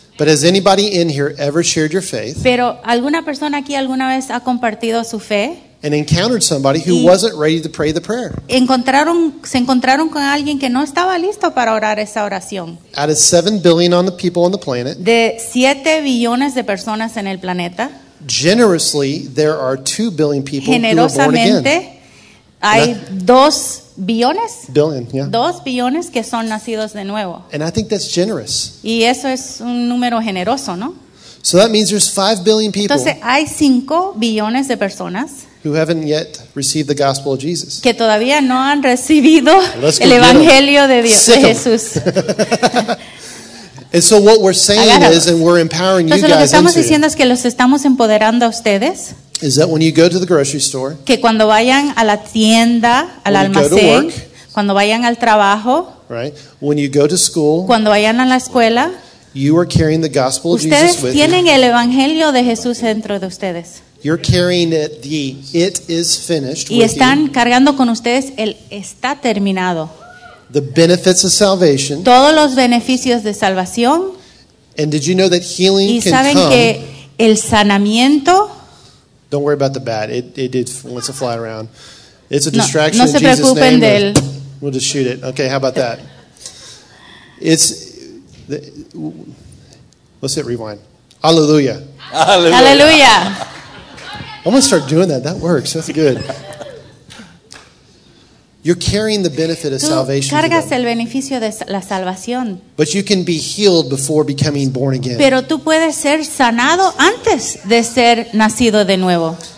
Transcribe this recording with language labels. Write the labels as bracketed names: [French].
[English] But has anybody in here ever shared your faith? [Spanish] Pero alguna persona aquí alguna vez ha compartido su fe? [English] and encountered somebody who wasn't ready to pray the prayer. [Spanish] Se encontraron con alguien que no estaba listo para orar esa oración. [English] Out of 7 billion on the people on the planet, [Spanish] de 7 billones de personas en el planeta, [English] generously, there are 2 billion people who are born again. [Spanish] Hay 2 billones. [English] Billion, yeah. [Spanish] 2 billones que son nacidos de nuevo. [English] And I think that's generous. [Spanish] Y eso es un número generoso, ¿no? [English] So that means there's 5 billion people. [Spanish] Entonces hay 5 billones de personas [English] who haven't yet received the gospel of Jesus. [Spanish] Que todavía no han recibido el evangelio de Dios, de Jesús. [English] And so what we're saying is, and we're empowering [Spanish] Entonces, [English] you guys [Spanish] lo que estamos diciendo es que los estamos empoderando a ustedes. [English] Is that when you go to the grocery store? [Spanish] Que cuando vayan a la tienda, al almacén, cuando vayan al trabajo, [English] right? When you go to school, [Spanish] cuando vayan a la escuela, [English] you are carrying the gospel of Jesus with you. [Spanish] Ustedes tienen el evangelio de Jesús dentro de ustedes. [English] You're carrying it. The it is finished. [Spanish] Y están cargando con ustedes el está terminado. [English] The benefits of salvation. [Spanish] Todos los beneficios de salvación. [English] And did you know that healing can come? [Spanish] Y saben que el sanamiento. [English] Don't worry about the bat. It wants to fly around. It's a distraction. [Spanish] No, no se [English] in Jesus [Spanish] preocupen [English] name, [Spanish] de él. [English] We'll just shoot it. Okay, how about that? It's let's hit rewind. Hallelujah. Hallelujah. Hallelujah. I'm gonna start doing that. That works. That's good. You're carrying the benefit of [Spanish] Tú [English] salvation. [Spanish] Cargas el beneficio de la salvación. [English] But you can be healed before becoming born again. [Spanish] Pero tú puedes ser sanado antes de ser nacido de nuevo.